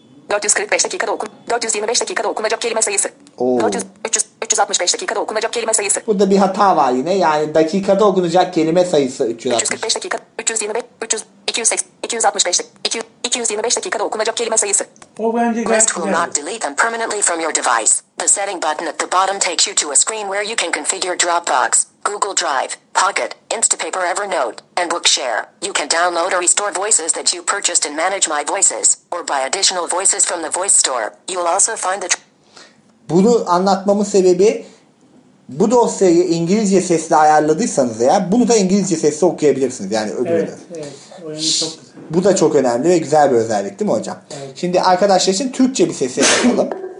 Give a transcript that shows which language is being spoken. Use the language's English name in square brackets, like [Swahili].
[Turkish] 445 dakikada okun. 425 dakikada okunacak kelime sayısı. 365 dakikada okunacak kelime sayısı. Burada bir hata var yine. Yani dakikada okunacak kelime sayısı 360. 345 dakika, 325, 300, 280, 265, 225 dakikada okunacak kelime sayısı. O bence gayet güzel. [English] Will not delete them permanently from your device. The setting button at the bottom takes you to a screen where you can configure Dropbox, Google Drive, Pocket, Instapaper, Evernote, and Bookshare. You can download or restore voices that you purchased in Manage My Voices, or buy additional voices from the Voice Store. You'll also find the... [Turkish] Bunu anlatmamın sebebi bu dosyayı İngilizce sesle ayarladıysanız eğer bunu da İngilizce sesle okuyabilirsiniz. Yani öbürünü. Evet, evet. Bu da çok önemli ve güzel bir özellik değil mi hocam? Evet. Şimdi arkadaşlar için Türkçe bir ses yapalım.